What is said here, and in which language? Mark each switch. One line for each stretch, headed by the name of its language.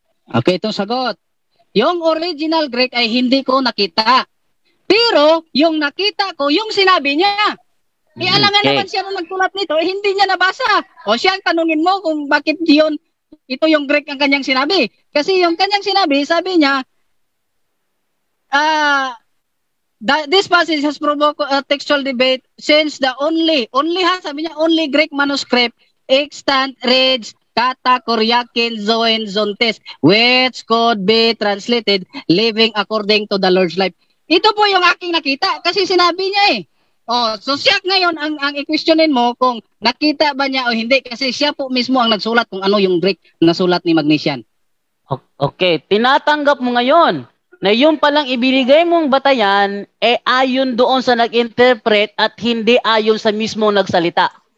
Filipino: Okay, itong sagot. Yung original Greek ay hindi ko nakita. Pero yung nakita ko, yung sinabi niya. Alam naman siya nung nagtulat nito, hindi niya nabasa. O siya, tanungin mo kung bakit yun, ito yung Greek ang kanyang sinabi. Kasi yung kanyang sinabi, sabi niya,
English: this passage has provoked a textual debate since the only Greek manuscript extant reads kata koryakin zoen zontes, which could be translated living according to the Lord's life.
Filipino: Ito po yung aking nakita kasi sinabi niya eh. Oh, so siya ngayon ang i-questionin mo kung nakita ba niya o hindi, kasi siya po mismo ang nagsulat kung ano yung Greek na sulat ni Magnesian. Okay, tinatanggap mo ngayon na yung palang ibinigay mong batayan ayon doon sa nag-interpret at hindi ayon sa mismo nagsalita.